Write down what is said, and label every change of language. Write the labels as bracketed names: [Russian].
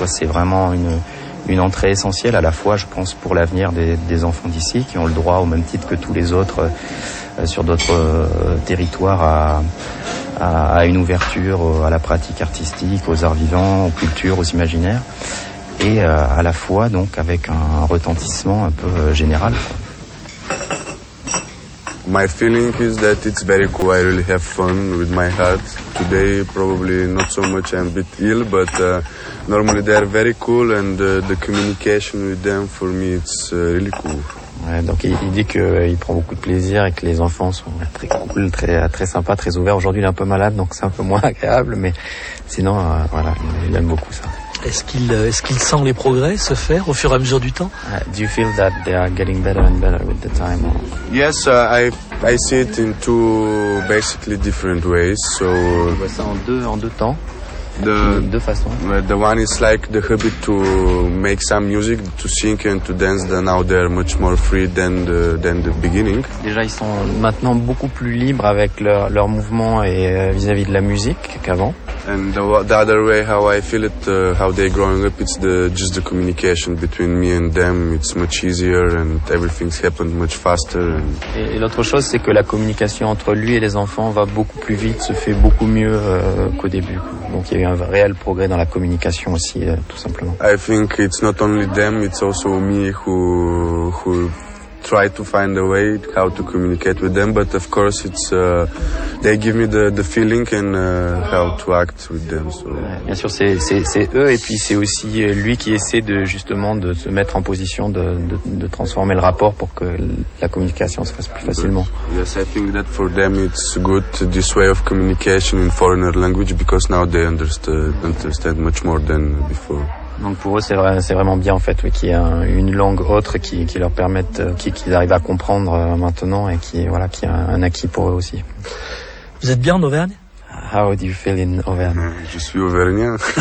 [French] C'est vraiment une entrée essentielle à la fois, je pense, pour l'avenir des enfants d'ici qui ont le droit au même titre que tous les autres sur d'autres territoires à une ouverture à la pratique artistique, aux arts vivants, aux cultures, aux imaginaires, et à la fois donc avec un retentissement un peu général. [English] My feeling is that it's very cool. I really have fun with my heart today. Probably not so much. I'm a bit ill, but normally they are very cool and the communication with them for me it's really cool. [French] Ouais, donc il dit qu'il prend beaucoup de plaisir et que les enfants sont très cool, très, très sympas, très ouverts. Aujourd'hui, il est un peu malade, donc c'est un peu moins agréable, mais sinon, voilà, il aime beaucoup ça. Est-ce qu'il sent les progrès se faire au fur et à mesure du temps? [English] Do you feel that they are getting better and better with the time? Or... Yes, I see it in two basically different ways. So... [French] On voit ça en deux temps. [English] The one is like the habit to make some music, to sing and to dance. Then now they're much more free than the beginning. [French] Déjà, ils sont maintenant beaucoup plus libres avec leur mouvement et vis-à-vis de la musique qu'avant. [English] And the other way, how I feel it, how they're growing up, it's just the communication between me and them. It's much easier and everything's happened much faster. And... [French] Et l'autre chose, c'est que la communication entre lui et les enfants va beaucoup plus vite, se fait beaucoup mieux qu'au début. Donc il y a eu un réel progrès dans la communication aussi, tout simplement. [English] I think it's not only them, it's also me who try to find a way how to communicate with them, but of course it's they give me the feeling and how to act with them. So. [French] Bien sûr, c'est eux et puis c'est aussi lui qui essaie justement de se mettre en position de transformer le rapport pour que la communication se fasse plus facilement. [English] But, yes, I think that for them it's good this way of communication in foreigner language because now they understand much more than before. [French] Donc pour eux c'est vraiment bien en fait, oui, qu'il y ait une langue autre qui leur permette, qu'ils arrivent à comprendre maintenant et qui est un acquis pour eux aussi. Vous êtes bien en Auvergne? [English] How do you feel in Auvergne? [French] Je suis auvergnat.